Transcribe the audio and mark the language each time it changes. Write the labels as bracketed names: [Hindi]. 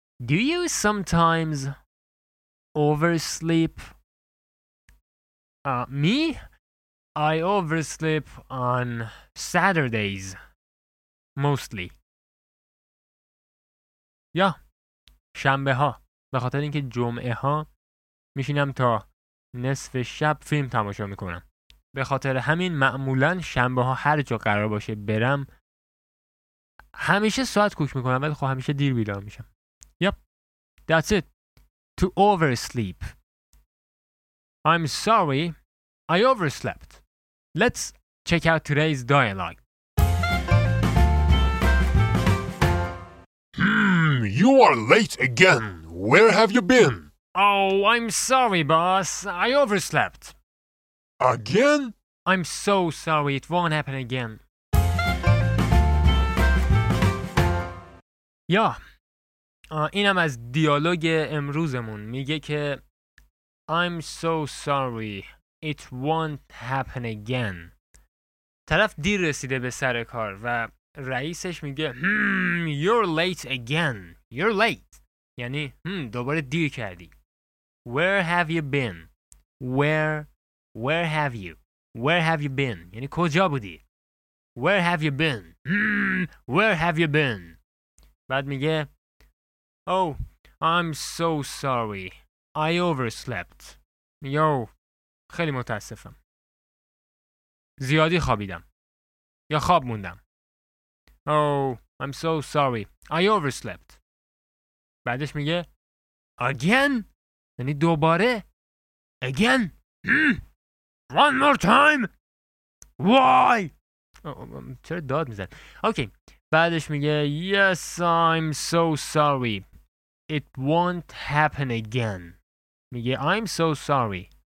[English] Do you sometimes oversleep? Me? I oversleep on Saturdays, mostly. [Persian] Yeah, شنبه ها. به خاطر اینکه جمعه ها میشینم تا نصف شب فیلم تماشا میکنم. به خاطر همین معمولا شنبه ها هر جا قرار باشه برم همیشه ساعت کوک میکنم، ولی خب همیشه دیر بیدار میشم. [English] Yep, that's it. To oversleep. I'm sorry, I overslept. Let's check out today's dialogue. You are late again. Where have you been? Oh, I'm sorry, boss. I overslept. Again? I'm so sorry. It won't happen again. Yeah. [Persian] اینم از دیالوگ امروزمون. میگه که [English] I'm so sorry. It won't happen again. [Persian] طرف دیر رسیده به سر کار و رئیسش میگه [English] you're late again. You're late. [Persian] یعنی دوباره دیر کردی. [English] Where have you been? Where have you? Where have you been? [Persian] یعنی کجا بودی؟ [English] Where have you been? Where have you been? [Persian] بعد میگه [English] Oh, I'm so sorry. I overslept. Yo. [Persian] خیلی متاسفم، زیادی خوابیدم یا خواب موندم. [English] Oh, I'm so sorry. I overslept. [Persian] بعدش میگه [English] Again? [Persian] یعنی دوباره؟ Again? [English] One more time? Why? [Persian] چرا داد میزن؟ [English] Okay. [Persian] بعدش میگه [English] Yes, I'm so sorry. It won't happen again. [Persian] میگه [English] I'm so sorry.